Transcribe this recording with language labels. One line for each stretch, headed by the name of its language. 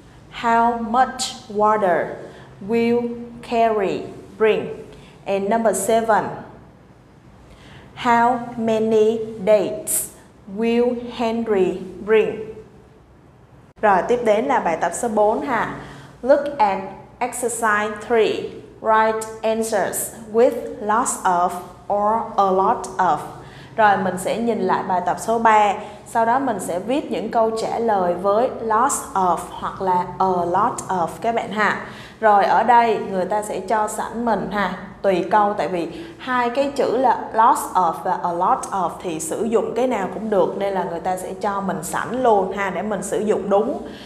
English: How much water will Carrie bring? And number 7. How many dates will Henry bring?
Vietnamese: Rồi tiếp đến là bài tập số 4 ha.
English: Look at exercise 3. Write answers with lots of or a lot of.
Vietnamese: Rồi mình sẽ nhìn lại bài tập số 3. Sau đó mình sẽ viết những câu trả lời với lots of hoặc là a lot of các bạn ha. Rồi ở đây người ta sẽ cho sẵn mình ha, tùy câu, tại vì hai cái chữ là lots of và a lot of thì sử dụng cái nào cũng được, nên là người ta sẽ cho mình sẵn luôn ha để mình sử dụng đúng.